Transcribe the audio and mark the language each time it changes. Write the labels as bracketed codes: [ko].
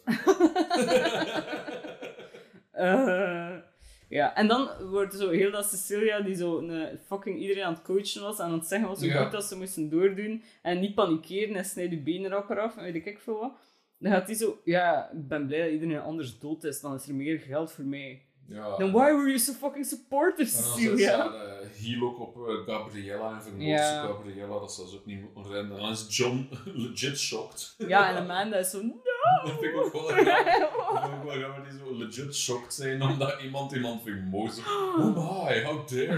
[nl] gedaan. en dan wordt zo heel dat Cecilia, die zo fucking iedereen aan het coachen was, en aan het zeggen was hoe goed dat ze moesten doordoen, en niet panikeren en snijden je benen erop eraf, en weet ik veel wat. Dan gaat die zo, ja, ik ben blij dat iedereen anders dood is, dan is er meer geld voor mij. Ja, [en] then why were you so fucking supportive, Cecilia? [nl] Ja, heel ook op Gabriella en vermoord Gabriella, dat ze ook niet moeten rennen. Dan is John legit shocked. Ja, en Amanda is zo, no! Dat vind ik ook wel raar. Dat die zo legit shocked zijn omdat iemand vermoord is. [en] Oh my, how dare you?